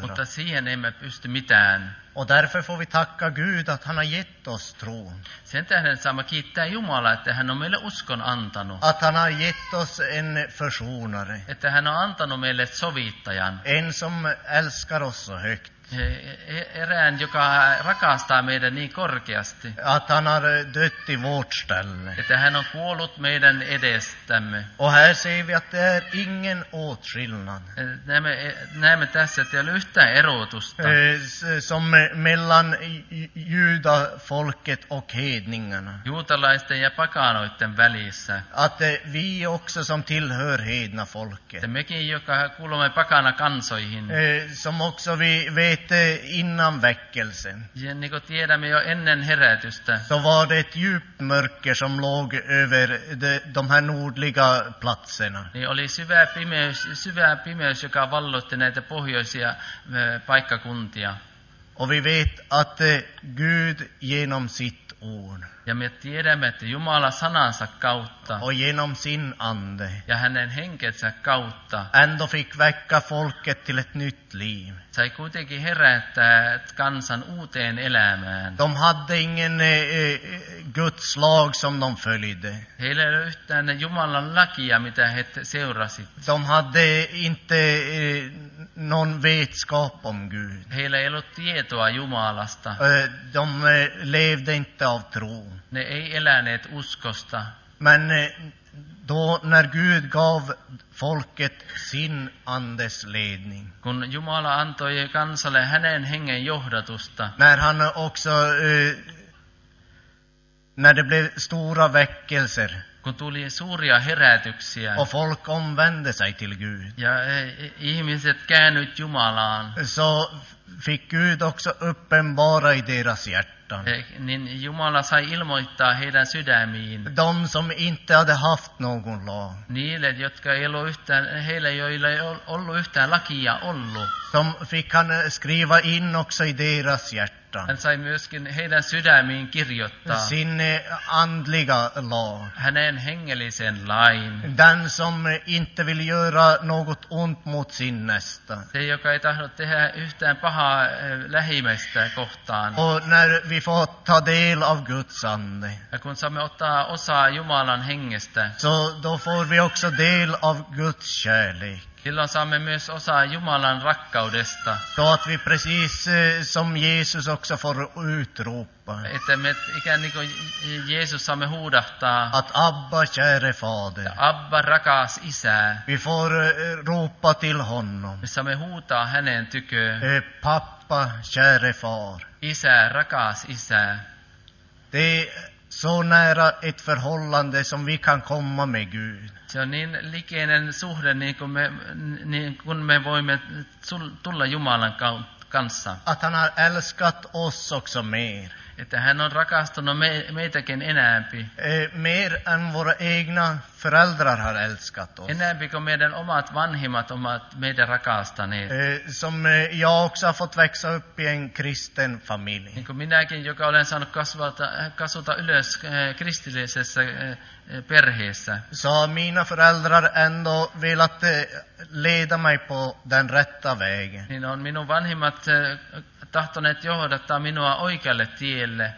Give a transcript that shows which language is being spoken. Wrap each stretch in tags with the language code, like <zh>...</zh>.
<fi>Mutta siihen emme pysty mitään.</fi> <sv>Och därför får vi tacka Gud att han har gett oss tro.</sv> <fi>Sen tähden saamme kiittää Jumalaa, että hän on meille uskon antanut.</fi> <sv>Att han har gett oss en försonare.</sv> <fi>Että hän on antanut meille sovittajan.</fi> <sv>En som älskar oss så högt.</sv> <fi>Erään, joka rakastaa meidän niin korkeasti.</fi> <sv>Att han har dött i vårt ställe.</sv> <fi>Että hän on kuollut meidän edestämme.</fi> <sv>Och här ser vi att det är ingen åtskillnad.</sv> <fi>Näemme tässä, että ei ole yhtään erotusta.</fi> <sv>Som mellan judafolket och hedningarna.</sv> <fi>Juutalaisten ja pakanoitten välissä.</fi> <sv>Att vi också som tillhör hedna folket.</sv> <fi>Että mekin, joka kuulumme pakana kansoihin.</fi> <sv>Som också vi vet innan väckelsen.</sv> <fi>Ja niin kuin tiedämme jo ennen herätystä.</fi> <sv>Så var det ett djupt mörker som låg över de här nordliga platserna.</sv> <fi>Niin oli syvä pimeys, joka vallotti näitä pohjoisia paikkakuntia.</fi> <sv>Och vi vet att Gud genom sitt ord.</sv> <fi>Ja me tiedämme, että Jumala sanansa kautta.</fi> <sv>Och genom sin ande.</sv> <fi>Ja hänen henkensä kautta.</fi> <sv>Ändå fick väcka folket till ett nytt liv.</sv> <fi>Sai kuitenkin herättää kansan uuteen elämään.</fi> <sv>De hade ingen Guds lag som de följde.</sv> <fi>Heillä ei ole yhtään Jumalan lakia, mitä he seurasivat.</fi> <sv>De hade inte någon vetskap om Gud.</sv> <fi>Heillä ei ollut tietoa Jumalasta.</fi> <sv>De levde inte av tro.</sv> <fi>Ne ei eläneet uskosta.</fi> <sv>Men då när Gud gav folket sin andes ledning.</sv> <fi>Kun Jumala antoi kansalle hänen hengen johdatusta.</fi> <sv>När han också när det blev stora väckelser.</sv> <fi>Kun tuli suuria herätyksiä.</fi> <sv>Och folk omvände sig till Gud.</sv> <fi>Ja ihmiset käännyt Jumalaan.</fi> <sv>Så fick Gud också uppenbara i deras hjärta.</sv> <fi>Niin Jumala sai ilmoittaa heidän sydämiin.</fi> <sv>De som inte hade haft någon lag.</sv> <fi>Niille, jotka ei ollut yhtään, heille, joilla ei ollut yhtään lakia ollut.</fi> <sv>Som fick han skriva in också i deras hjärta.</sv> <fi>Hän sai myöskin heidän sydämiin kirjoittaa.</fi> <sv>Sinne andliga lag.</sv> <fi>Hänen hengellisen lain.</fi> <sv>Den som inte vill göra något ont mot sin nästa.</sv> <fi>Se, joka ei tahdo tehdä yhtään pahaa lähimmäistä kohtaan.</fi> <sv>Vi får ta del av Guds ande.</sv> <fi>Ja kun saamme ottaa osa Jumalan hengestä.</fi> <sv>Så då får vi också del av Guds kärlek.</sv> <fi>Silloin saamme myös osa Jumalan rakkaudesta.</fi> <sv>Så att vi precis som Jesus också får utropa.</sv> <fi>Että me ikään kuin Jeesus saamme huudahtaa.</fi> <sv>Att Abba käre fader.</sv> <fi>Abba rakas isä.</fi> <sv>Vi får ropa till honom.</sv> <fi>Me saamme huutaa hänen tyköön.</fi> <sv>Pappa käre far.</sv> <fi>Isä, rakas isä.</fi> <sv>Det är så nära ett förhållande som vi kan komma med Gud.</sv> <fi>Se on niin likeinen suhde, niin kuin me voimme tulla Jumalan kanssa.</fi> <sv>Att han har älskat oss också mer.</sv> <fi>Että hän on rakastunut meitäkin enäämpi.</fi> <sv>Mer än våra egna föräldrar har älskat oss.</sv> <fi>Enäämpi kuin meidän omat vanhimmat ovat meidän rakastaneet.</fi> <sv>Som jag också har fått växa upp i en kristen familj.</sv> <fi>Niin kuin minäkin, joka olen saanut kasvata ylös kristillisessä perheessä.</fi> <sv>Så mina föräldrar ändå velat leda mig på den rätta vägen.</sv> <fi>Niin on minun vanhimmat tahtoneet johdattaa minua oikealle tielle.</fi>